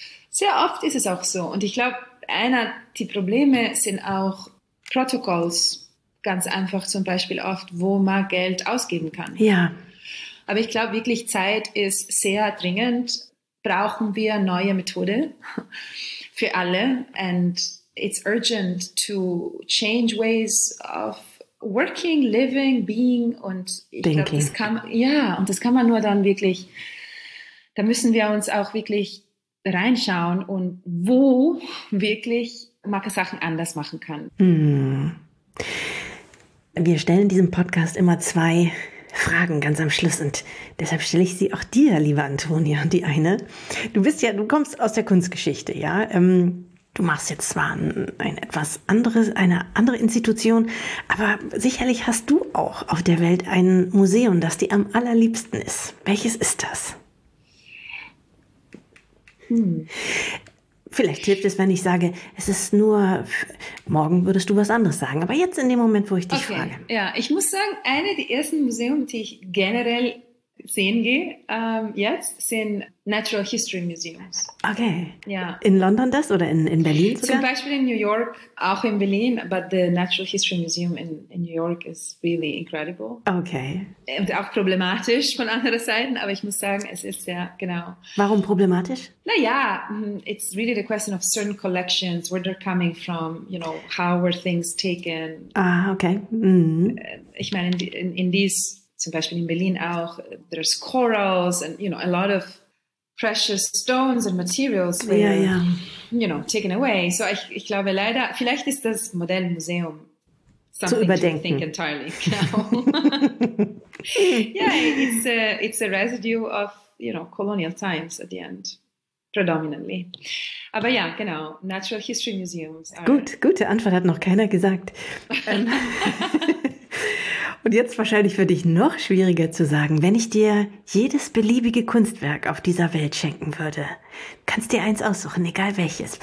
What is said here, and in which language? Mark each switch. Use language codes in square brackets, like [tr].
[de] Sehr oft ist es auch so und ich glaube, einer der Probleme sind auch Protokolls, ganz einfach zum Beispiel oft, wo man Geld ausgeben kann. Ja. Aber ich glaube wirklich, Zeit ist sehr dringend. Brauchen wir neue Methode für alle? [en] And it's urgent to change ways of working, living, being. [de] Und ich glaube, das kann man nur dann wirklich, da müssen wir uns auch wirklich reinschauen und wo wirklich man Sachen anders machen kann. Wir stellen diesem Podcast immer 2 Fragen ganz am Schluss und deshalb stelle ich sie auch dir, liebe Antonia, die eine. Du kommst aus der Kunstgeschichte, ja. Du machst jetzt zwar eine andere Institution, aber sicherlich hast du auch auf der Welt ein Museum, das dir am allerliebsten ist. Welches ist das? Vielleicht hilft es, wenn ich sage, es ist nur, morgen würdest du was anderes sagen. Aber jetzt in dem Moment, wo ich dich frage. Ja, ich muss sagen, eine der ersten Museen, die ich generell sehen gehe, jetzt, sind Natural History Museums. Okay. Ja. In London das oder in Berlin sogar? Zum Beispiel in New York, auch in Berlin. [en] But the Natural History Museum in New York is really incredible. Okay. [de] Und auch problematisch von anderer Seite. Aber ich muss sagen, es ist sehr, genau. Warum problematisch? [en] Naja, it's really the question of certain collections, where they're coming from, how were things taken. Ah, okay. [de] Ich meine, [en] in these, [de] zum Beispiel in Berlin auch, [en] there's corals and, a lot of precious stones and materials were, taken away. [de] So ich glaube leider, vielleicht ist das moderne Museum [en] something [de] zu überdenken. [en] To think entirely. Yeah, it's a residue of, colonial times at the end, predominantly. [de] Aber ja, genau, Natural History Museums. Gute Antwort, hat noch keiner gesagt. Und jetzt wahrscheinlich für dich noch schwieriger zu sagen, wenn ich dir jedes beliebige Kunstwerk auf dieser Welt schenken würde, kannst dir eins aussuchen, egal welches.